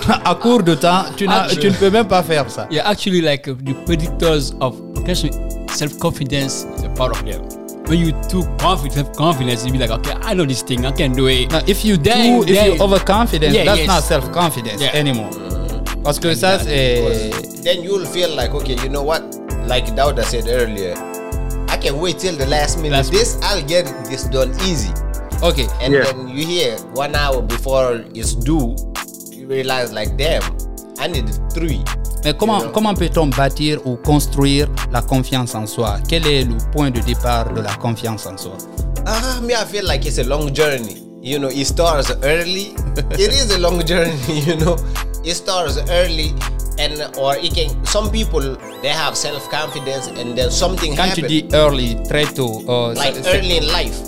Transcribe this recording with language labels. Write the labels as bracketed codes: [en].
[fr] À court de temps, tu ne peux même pas faire ça. [en] Yeah, actually, like the predictors of self-confidence is a part of them. When you too confidence, you be like, okay, I know this thing, I can do it. Now, if you then, too, if you overconfident, not self-confidence anymore. [fr] Parce que ça, [en] then you'll feel like, okay, you know what? Like Dauda said earlier, I can wait till the last minute. I'll get this done easy. Okay, and then you hear 1 hour before it's due. Realize like them, I need 3. [fr] Mais comment, peut-on bâtir ou construire la confiance en soi? Quel est le point de départ de la confiance en soi? [en] Me, I feel like it's a long journey. You know, it starts early. It is a long journey, you know. It starts early some people, they have self-confidence and then something [fr] happens. Quand tu dis early, très tôt. [en] Early in life.